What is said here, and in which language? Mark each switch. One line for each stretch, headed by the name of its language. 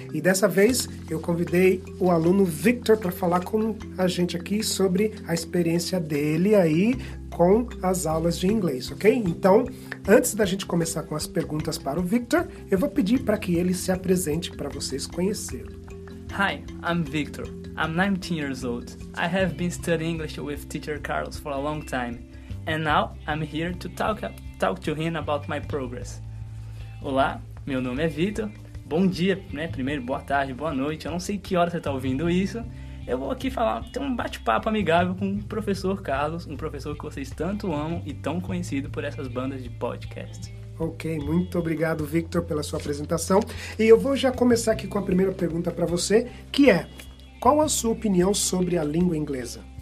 Portuguese: E dessa vez, eu convidei o aluno Victor para falar com a gente aqui sobre a experiência dele aí com as aulas de inglês, ok? Então, antes da gente começar com as perguntas para o Victor, eu vou pedir para que ele se apresente para vocês conhecê-lo.
English: Hi, I'm Victor. I'm 19 years old. I have been studying English with teacher Carlos for a long time. And now I'm here to talk to him about my progress.
Portuguese: Olá, meu nome é Victor. Bom dia, né? Primeiro, boa tarde, boa noite. Eu não sei que hora você está ouvindo isso. Eu vou aqui falar, ter um bate-papo amigável com o professor Carlos, um professor que vocês tanto amam e tão conhecido por essas bandas de podcast. Ok, muito obrigado, Victor, pela sua apresentação. E eu vou já começar aqui com a primeira pergunta para você, que é: qual a sua opinião sobre a língua inglesa?